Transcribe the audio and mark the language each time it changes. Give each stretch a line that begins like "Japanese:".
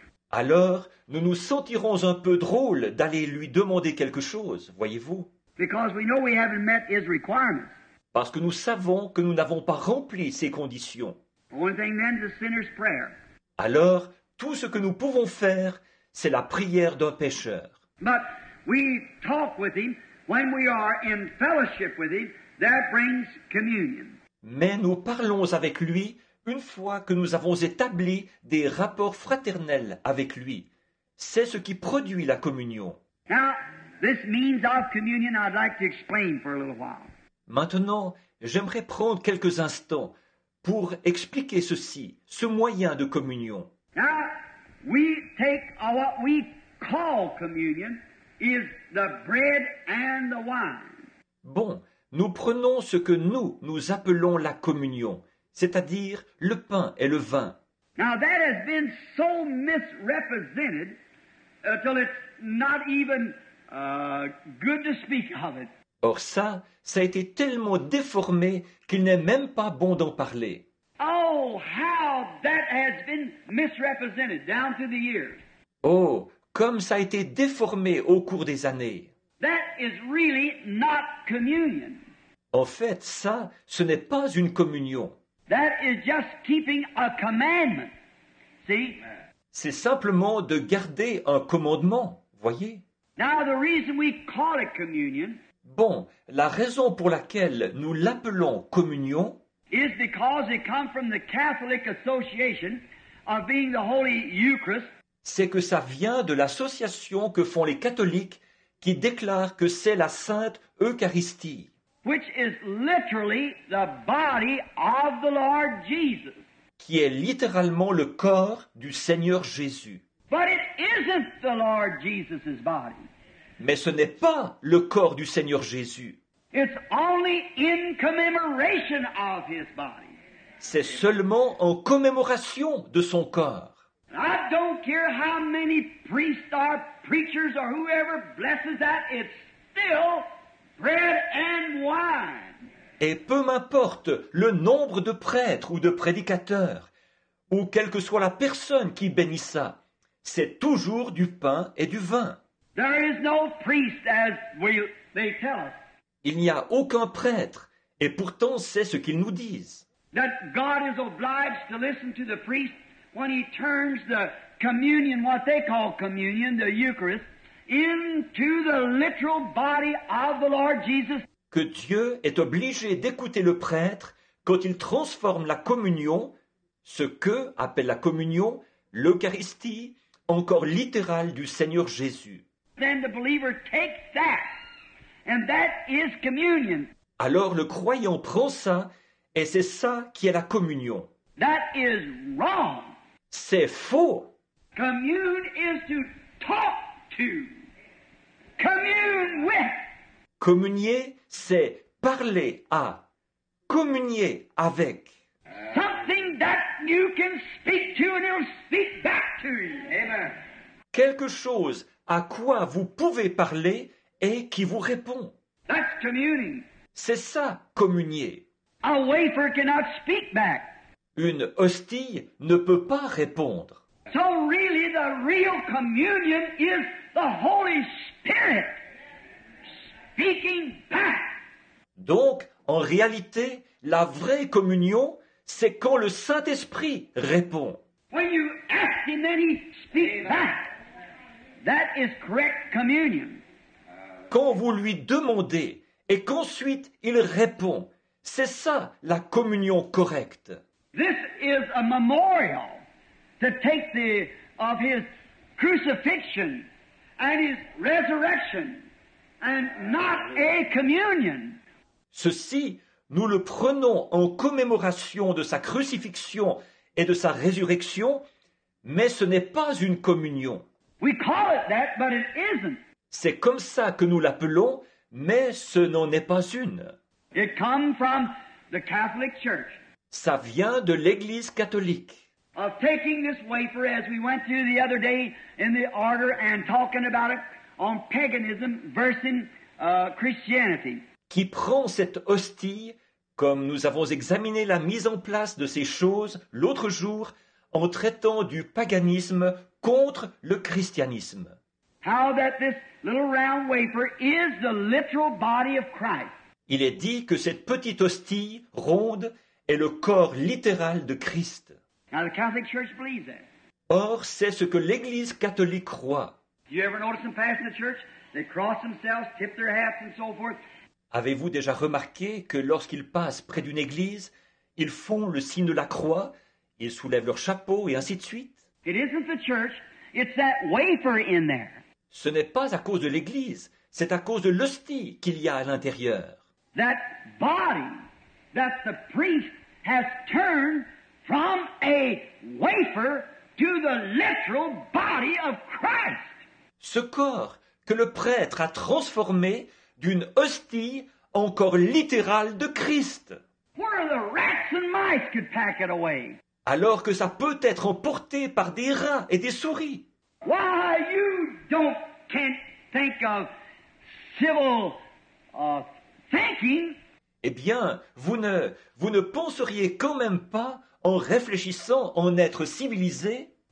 French: Alors, nous nous sentirons un peu drôles d'aller lui demander quelque chose, voyez-vous?
English: Because we know we haven't met his requirements.
French: Parce que nous savons que nous n'avons pas rempli ses conditions.
English: One thing then is a sinner's prayer.
French: Alors, tout ce que nous pouvons faire, c'est la prière d'un pécheur.
English: But we talk with him when we are in fellowship with him. That brings communion.
French: Mais nous parlons avec lui une fois que nous avons établi des rapports fraternels avec lui. C'est ce qui produit la communion.
English: Now, this means of communion, I'd like to explain for a little while.
French: Maintenant, j'aimerais prendre quelques instants pour expliquer ceci, ce moyen de communion.
English: Now, we take what we call communion is the bread and the wine.
French: Bon, nous prenons ce que nous, nous appelons la communion, c'est-à-dire le pain et le vin.
English: Now, that has been so misrepresented until it's not even good to speak of it.
French: Or ça, ça a été tellement déformé qu'il n'est même pas bon d'en parler.
English: Oh, how that has been misrepresented down through the years.
French: Oh, comme ça a été déformé au cours des années.
English: That is really not communion.
French: En fait, ça, ce n'est pas une communion.
English: That is just keeping a commandment. See?
French: C'est simplement de garder un commandement, voyez?
English: Now, the reason we call it communion.
French: Bon, la raison pour laquelle nous l'appelons communion
English: is because it comes from the Catholic Association of being the Holy Eucharist.
French: C'est que ça vient de l'association que font les catholiques qui déclarent que c'est la Sainte Eucharistie.
English: Which is literally the body of the Lord Jesus.
French: Qui est littéralement le corps du Seigneur Jésus.
English: But it isn't the Lord Jesus's body.
French: Mais ce n'est pas le corps du Seigneur Jésus.
English: It's only in commemoration of his body.
French: C'est seulement en commémoration de son corps.
English: I don't care how many priests or preachers or whoever blesses that, it's still bread and wine.
French: Et peu m'importe le nombre de prêtres ou de prédicateurs, ou quelle que soit la personne qui bénit ça, c'est toujours du pain et du vin.
English: There is no priest, as they tell us.
French: Il n'y a aucun prêtre, et pourtant c'est ce qu'ils nous disent.
English: That God is obliged to listen to the priest when he turns the communion, what they call communion, the Eucharist, into the literal body of the Lord Jesus.
French: Que Dieu est obligé d'écouter le prêtre quand il transforme la communion, ce que appelle la communion, l'Eucharistie, en corps littéral du Seigneur Jésus.
English: Then the believer takes that, and that is communion.
French: Alors le croyant prend ça, et c'est ça qui est la communion.
English: That is wrong.
French: C'est faux.
English: Commune is to talk to. Commune with.
French: Communier, c'est parler à. Communier avec.
English: Something that you can speak to and it'll speak back to you. Amen.
French: Quelque chose à quoi vous pouvez parler et qui vous répond.
English: That's communing.
French: C'est ça, communier.
English: A wafer cannot speak back.
French: Une hostie ne peut pas répondre.
English: So really the real communion is the Holy Spirit speaking back.
French: Donc, en réalité, la vraie communion, c'est quand le Saint-Esprit répond.
English: When you ask him and he speaks back. That is correct communion.
French: Quand vous lui demandez et qu'ensuite il répond, c'est ça la communion correcte.
English: This is a memorial to take the of his crucifixion and his resurrection and not a communion.
French: Ceci, nous le prenons en commémoration de sa crucifixion et de sa résurrection, mais ce n'est pas une communion.
English: We call it that, but it isn't.
French: C'est comme ça que nous l'appelons, mais ce n'en est pas une.
English: It comes from the Catholic Church.
French: Ça vient de l'Église catholique.
English: Of taking this wafer as we went through the other day in the order and talking about it on paganism versus Christianity.
French: Qui prend cette hostie, comme nous avons examiné la mise en place de ces choses l'autre jour, en traitant du paganisme contre le christianisme.
English: How that this little round wafer is the literal body of Christ.
French: Il est dit que cette petite hostie ronde est le corps littéral de Christ.
English: Now the Catholic Church believes that.
French: Or, c'est ce que l'Église catholique croit.
English: You ever notice them passing the church? They cross themselves, tip their hats, and so forth.
French: Avez-vous déjà remarqué que lorsqu'ils passent près d'une église, ils font le signe de la croix, ils soulèvent leur chapeau et ainsi de suite?
English: It isn't the church, it's that wafer in there.
French: Ce n'est pas à cause de l'église, c'est à cause de l'hostie qu'il y a à l'intérieur.
English: That body that the priest has turned from a wafer to the literal body of Christ.
French: Ce corps que le prêtre a transformé d'une hostie encore littérale de Christ.
English: Where the rats and mice could pack it away.
French: Alors que ça peut être emporté par des rats et des souris.
English: Why you don't can't think of civil thinking?
French: Eh bien, vous ne penseriez quand même pas en réfléchissant en être civilisé?